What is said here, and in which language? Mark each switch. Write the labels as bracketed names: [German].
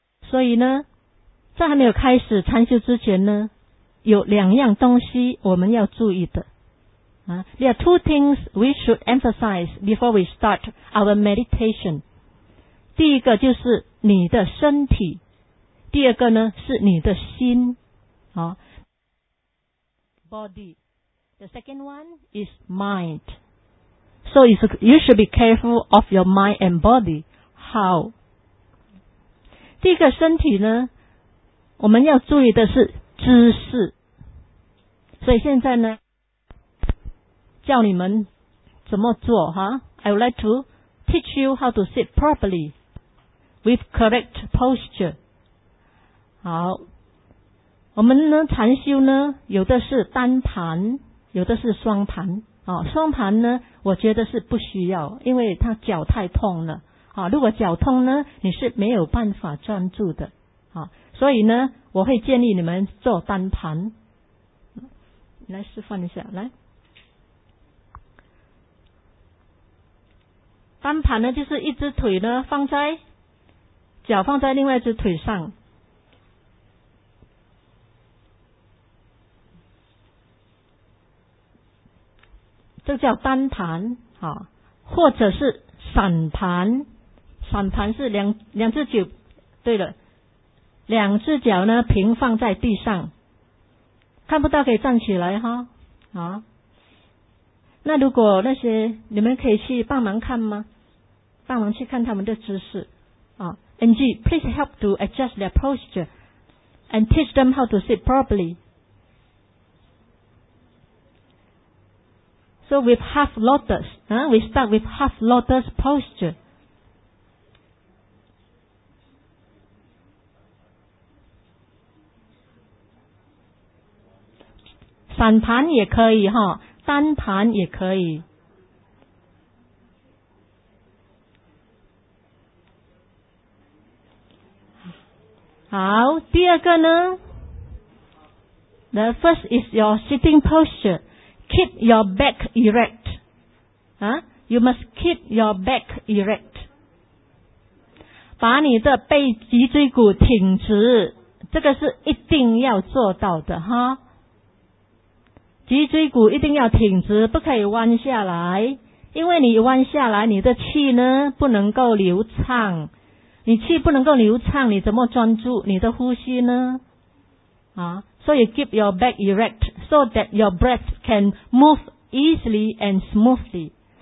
[English] So, [Chinese] 在还没有开始禅修之前呢，有两样东西我们要注意的。 [English] There are two things we should emphasize before we start our meditation. [Chinese] 第一个就是你的身体，第二个呢是你的心。 [English] Body. The second one is mind. So you should be careful of your mind and body. How? [Chinese] 第一个身体呢，我们要注意的是姿势。所以现在呢教你们怎么做哈、 [English] I would like to teach you how to sit properly with correct posture. [Chinese] 好，我们呢禅修呢，有的是单盘，有的是双盘。双盘呢，我觉得是不需要，因为它脚太痛了。如果脚痛呢，你是没有办法专注的。所以呢，我会建议你们做单盘。来示范一下，来。单盘呢，就是一只腿呢放在脚放在另外一只腿上，这叫单盘啊，或者是散盘，散盘是两只脚，对了，两只脚呢平放在地上，看不到可以站起来哈啊。那如果那些你们可以去帮忙看吗？帮忙去看他们的姿势啊 [English] ，NG, please help to adjust their posture and teach them how to sit properly. So with half lotus, we start with half lotus posture. [Chinese] Sun pan 也可以哈，单盘也可以。好，第二个呢 [English] ？The first is your sitting posture. Keep your back erect. You must keep your back erect. [Chinese] 把你的背脊椎骨挺直，这个是一定要做到的哈。脊椎骨一定要挺直，不可以弯下来，因为你弯下来，你的气呢不能够流畅，你气不能够流畅，你怎么专注你的呼吸呢？啊，所以 [English] keep your back erect so that your breath can move easily and smoothly.